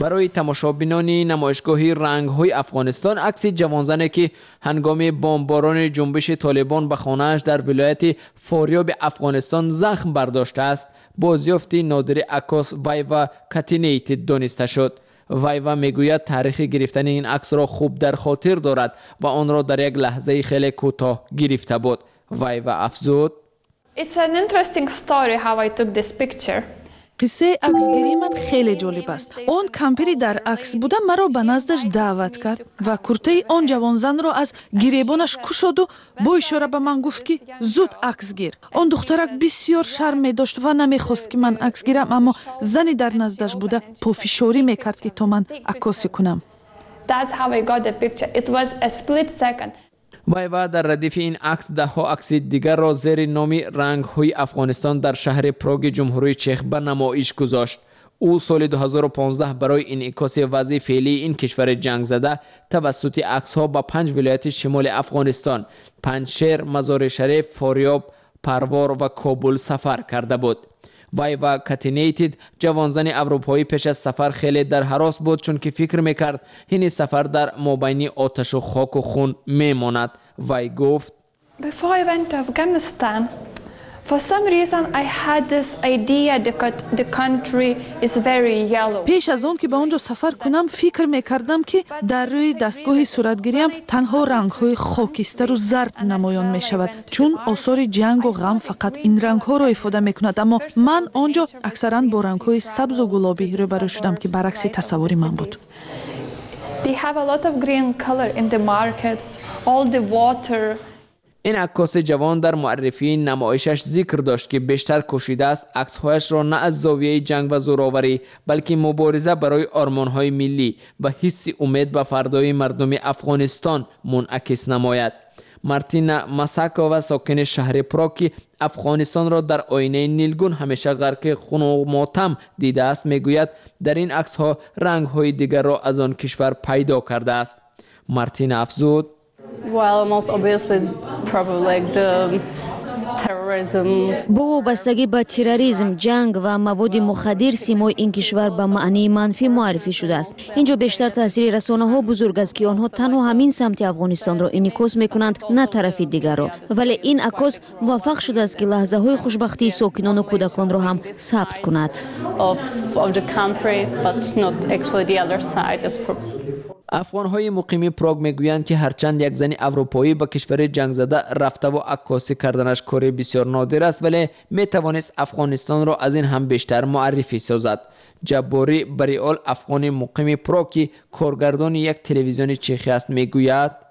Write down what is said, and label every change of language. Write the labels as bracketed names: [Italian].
[Persian] برای تماشابینان نمایشگاه رنگ‌های افغانستان عکس جوانزنی که هنگام بمباران جنبش طالبان به خانه‌اش در ولایت فاریاب افغانستان زخم برداشته است، بازیافت نادر عکاس وایوا کاتینیت دانسته شد. وایوا میگوید تاریخ گرفتن این عکس را خوب در خاطر دارد و آن را در یک لحظه خیلی کوتاه گرفته بود. وایوا افزود: [English] It's an interesting story how I took this picture. [Persian] قصه عکسگیری من خیلی جالب است. اون کمپری در عکس بوده مرا به نزدش دعوت کرد و کرته اون جوان زن را از گریبانش کشد و با اشاره به من گفت که زود عکس گیر. اون دخترک بسیار شرم می داشت و نمی خواست که من عکس گیرم، اما زنی در نزدش بوده پافشاری می کرد که تو من عکاسی کنم. [English] That's how I got the picture. It was a split second. [Persian] وایوا در ردیف این عکس ده ها عکس دیگر را زیر نام رنگ های افغانستان در شهر پراگ جمهوری چک به نمایش گذاشت. او سال 2015 برای انعکاس وضع فعلی این کشور جنگ زده توسط عکس ها به 5 ولایت شمال افغانستان، پنجشهر، مزار شریف، فاریاب، پروار و کابل سفر کرده بود. وایوا کاتینیتد جوانزن اروپایی پیش از سفر خیلی در هراس بود، چون که فکر میکرد این سفر در مابین آتش و خاک و خون میماند. وای گفت: [English] Before I went to Afghanistan, for some reason I had this idea that the country is very yellow. [Persian] پیش از اون که به اونجا سفر کنم فکر میکردم که در روی دستگاه صورتگیریم تنها رنگ های خاکستر و زرد نمایان میشود، چون آثار جنگ و غم فقط این رنگ ها را افاده میکند، اما من اونجا اکثرا با رنگ های سبز و گلابی روبرو شدم که برعکس تصوری من بود. [English] They have a lot of green color in the markets, all the water. [Persian] این عکاس جوان در معرفی نمایشش ذکر داشت که بیشتر کوشیده است عکس هایش را نه از زاویه جنگ و زورآوری، بلکه مبارزه برای آرمان های ملی و حس امید به فردای مردم افغانستان منعکس نماید. مارتینا ماساکوا ساکن شهر پراک افغانستان را در آینه نیلگون همیشه غرق خون و ماتم دیده است، میگوید در این عکس ها رنگ های دیگر را از آن کشور پیدا کرده است. مارتینا افزود: [English] Well, most obviously it's probably like the terrorism. [Persian] بو وابستگی به تروریسم، جنگ و مواد مخدر سیمای این کشور به معنی منفی معرفی شده است. اینجا بیشتر تاثیر رسانه‌ها بزرگ است که آنها تنها همین سمت افغانستان را انعکاس می‌کنند، نه طرف دیگر را. ولی این عکاس موفق شده است که لحظه‌های خوشبختی ساکنان و کودکان را هم ثبت کند. [English] Of the country, but not actually the other side is [Persian] افغان های مقیمی پراگ میگویند که هرچند یک زن اروپایی به کشور جنگ زده رفته و عکاسی کردنش کاری بسیار نادر است، ولی می توانست افغانستان را از این هم بیشتر معرفی سازد. جباری بریال افغان مقیمی پراگ که کارگردان یک تلویزیون چخی است میگوید: